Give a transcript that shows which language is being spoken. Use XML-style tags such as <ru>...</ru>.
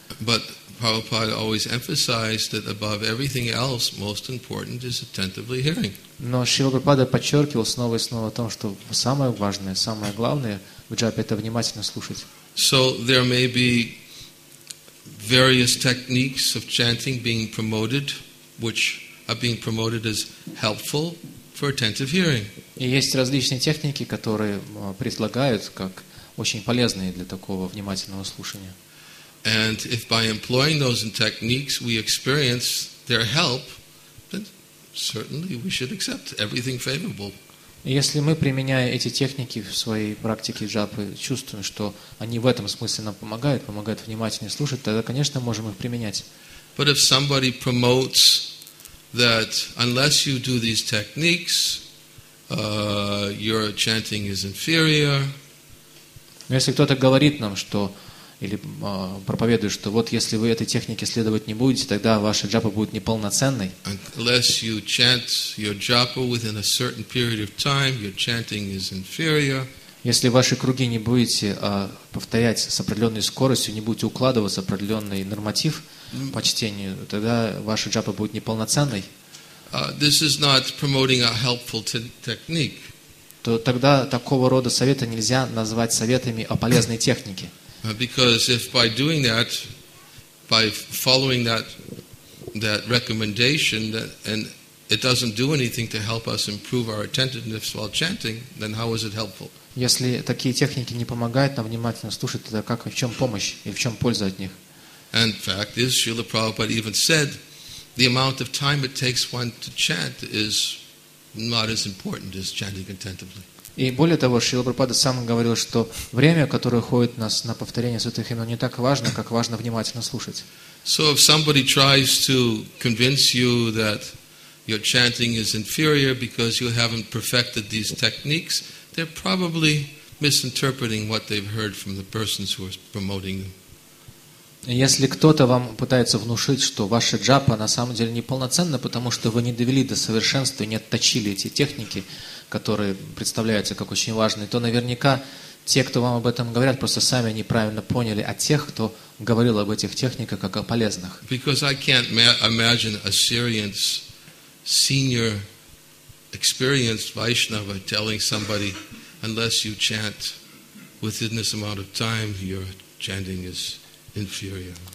<en>But Prabhupada always emphasized that above everything else, most important is attentively hearing.</en> <ru>Но Шрила Прабхупада подчеркивал снова и снова о том, что самое важное, самое главное в джапе — это внимательно слушать.</ru> <en>So there may be various techniques of chanting being promoted, which are being promoted as helpful for attentive hearing.</en> <ru>И есть различные техники, которые предлагают как очень полезные для такого внимательного слушания.</ru> <en>And if by employing those techniques we experience their help, then certainly we should accept everything favorable.</en> <ru>Если мы, применяя эти техники в своей практике джапы, чувствуем, что они в этом смысле нам помогают, помогают внимательнее слушать, тогда, конечно, можем их применять.</ru> <en>But if somebody promotes that unless you do these techniques, your chanting is inferior.</en> <ru>Если кто-то говорит нам, что или проповедует, что вот если вы этой технике следовать не будете, тогда ваша джапа будет неполноценной.</ru> <en>Unless you chant your japa within a certain period of time, your chanting is inferior.</en> <ru>Если ваши круги не будете повторять с определенной скоростью, не будете укладываться в определенный норматив по чтению, тогда ваша джапа будет неполноценной.</ru> <en>This is not promoting a helpful technique.</en> <ru>То тогда такого рода советы нельзя назвать советами о полезной технике.</ru> <en>Because if by doing that, by following that recommendation, that and it doesn't do anything to help us improve our attentiveness while chanting, then how is it helpful?</en> <ru>Если такие техники не помогают нам внимательно слушать, тогда как, в чем помощь и в чем польза от них?</ru> <en>And fact is, Srila Prabhupada even said, the amount of time it takes one to chant is not as important as chanting attentively.</en> <ru>И более того, Шрила Прабхупада сам говорил, что время, которое уходит нас на повторение святых имен, не так важно, как важно внимательно слушать.</ru> <en>So if somebody tries to convince you that your chanting is inferior because you haven't perfected these techniques, they're probably misinterpreting what they've heard from the persons who are promoting them.</en> <ru>Если кто-то вам пытается внушить, что ваша джапа на самом деле неполноценна, потому что вы не довели до совершенства и не отточили эти техники, которые представляются как очень важные, то наверняка те, кто вам об этом говорят, просто сами неправильно поняли о тех, кто говорил об этих техниках как о полезных.</ru> <en>Because I can't imagine a serious, senior, experienced Vaishnava telling somebody, unless you chant within this amount of time, your chanting is inferior.</en>